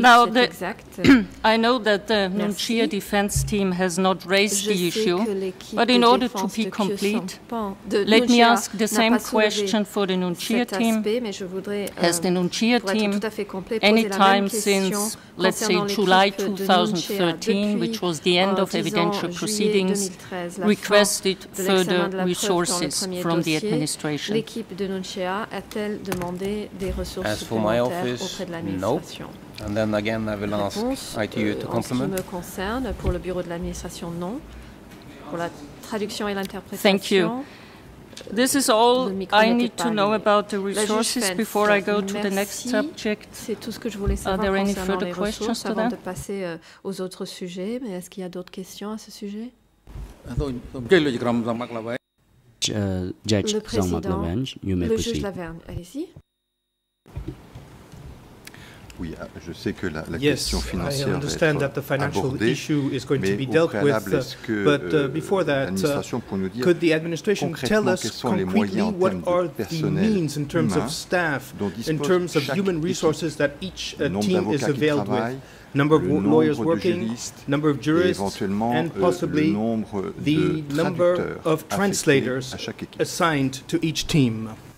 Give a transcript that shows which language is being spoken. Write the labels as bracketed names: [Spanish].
[English] Now, I know that the Nunchia defense team has not raised the issue, but in order to be complete, let me ask the same question for the Nunchia team. Has the Nunchia team, any time since, let's say, July 2013, which was the end of evidentiary proceedings, requested further resources from the administration? [French] L'équipe de Nunchia a-t-elle demandé des ressources [English] as for my office, [French] auprès de l'administration? [English] No. And then again, I will ask ITU to compliment. [French] En ce qui me concerne, pour le bureau de l'administration, non. pour la traduction et l'interprétation. [English] Thank you. This is all I need to know about the resources before I go to the next subject. [French] C'est tout ce que je voulais savoir. [English] Are there any further questions to that? [French] De passer aux autres sujets, mais est-ce qu'il y a d'autres questions à ce sujet? [English] Judge Zongmak Lavergne, you may proceed. [French] Le juge Lavergne, allez-y. Oui, je sais que la question financière va être abordée, mais au préalable, [English] could the administration tell us concretely what are the means in terms of staff, in terms of human resources that each team is availed with? Number of lawyers working, number of jurists, and possibly the number of translators assigned to each team.